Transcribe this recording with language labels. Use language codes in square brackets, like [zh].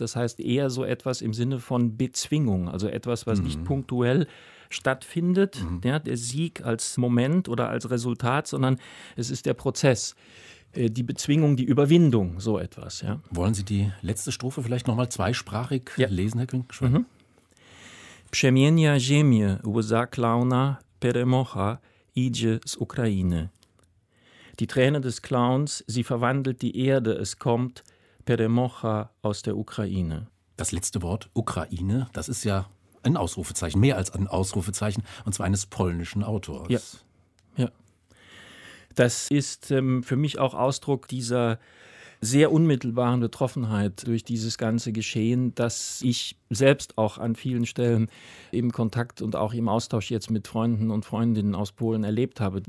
[de] Das heißt eher so etwas im Sinne von Bezwingung, also etwas, was nicht punktuell stattfindet, der Sieg als Moment oder als Resultat, sondern es ist der Prozess. Die Bezwingung, die Überwindung, so etwas. Ja. Wollen Sie die letzte Strophe vielleicht nochmal zweisprachig lesen, Herr Klinkenschwein? [pl] Przemienia ziemię łza klauna peremocha idzie z Ukrainy. [de] Die Träne des Clowns, sie verwandelt die Erde, es kommt peremocha aus der Ukraine. Das letzte Wort, Ukraine, das ist ja ein Ausrufezeichen, mehr als ein Ausrufezeichen, und zwar eines polnischen Autors. Ja. Das ist für mich auch Ausdruck dieser sehr unmittelbaren Betroffenheit durch dieses ganze Geschehen, dass ich selbst auch an vielen Stellen im Kontakt und auch im Austausch jetzt mit Freunden und Freundinnen aus Polen erlebt habe.